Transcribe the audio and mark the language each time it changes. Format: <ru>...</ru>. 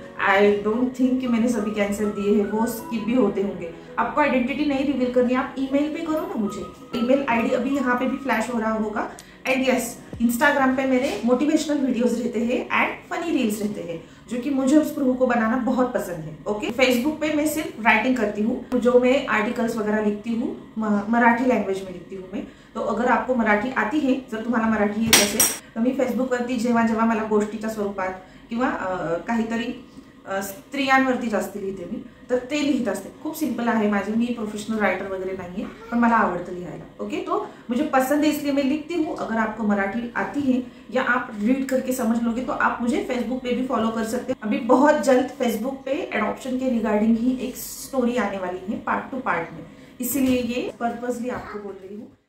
<hi>I don't think कि मैंने सभी के आंसर दिए हैं, वो स्किप भी होते होंगे। आपको आइडेंटिटी नहीं रिवील करनी, आप ईमेल पे करो ना मुझे, ईमेल आईडी अभी यहाँ पे भी फ्लैश हो रहा होगा। एंड यस, इंस्टाग्राम पे मेरे मोटिवेशनल वीडियोस रहते हैं एंड फनी रील्स रहते हैं, जो कि मुझे उस प्रभु को बनाना बहुत पसंद है, ओके। फेसबुक पे मैं सिर्फ राइटिंग करती हूँ, जो मैं आर्टिकल्स वगैरह लिखती हूँ मराठी लैंग्वेज में लिखती हूँ मैं, तो अगर आपको मराठी आती है, जब तुम्हारा मराठी है जैसे,</hi> <mr>तो मैं फेसबुक वरती जेव्हा जेव्हा मला गोष्टीच्या स्वरूपात किंवा काहीतरी स्त्रियांवरती जास्त लिहिते मी, तर ते लिहित असते, खूप सिंपल आहे माझे, मी प्रोफेशनल रायटर वगैरे नाही आहे, पण मला आवडतं लिहायला, ओके।</mr> <hi>तो मुझे पसंद है इसलिए मैं लिखती हूँ, अगर आपको मराठी आती है या आप रीड करके समझ लोगे तो आप मुझे फेसबुक पे भी फॉलो कर सकते हो। अभी बहुत जल्द फेसबुक पे एडॉप्शन के रिगार्डिंग ही एक स्टोरी आने वाली है पार्ट टू पार्ट में, इसीलिए ये पर्पसली आपको बोल रही हूँ।</hi>